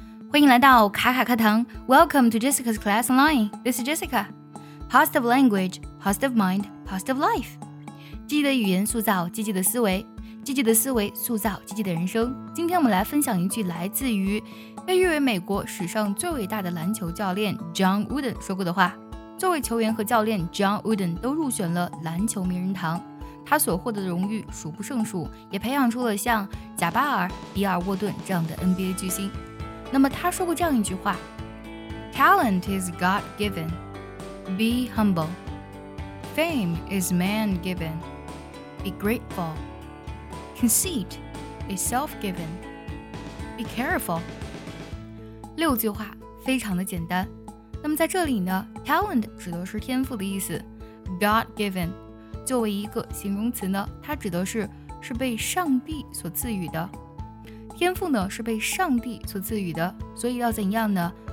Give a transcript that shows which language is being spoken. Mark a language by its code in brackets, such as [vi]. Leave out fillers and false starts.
[zh] 欢迎来到卡卡课堂 [en] Welcome to Jessica's Class Online. This is Jessica. Positive language, positive mind, positive life. [zh] 积极的语言塑造积极的思维，积极的思维塑造积极的人生。今天我们来分享一句来自于被誉为美国史上最伟大的篮球教练 John Wooden 说过的话。作为球员和教练 John Wooden 都入选了篮球名人堂，他所获得的荣誉数不胜数，也培养出了像贾巴尔、比尔沃顿这样的 NBA 巨星。那么他说过这样一句话， [en] Talent is God-given, be humble. Fame is man-given, be grateful. Conceit is self-given, be careful. [zh] 六句话非常的简单。那么在这里呢， Talent 指的是天赋的意思， God-given 作为一个形容词呢，它指的是被上帝所赐予的。天赋呢是被上帝所赐予的，所以要怎样呢？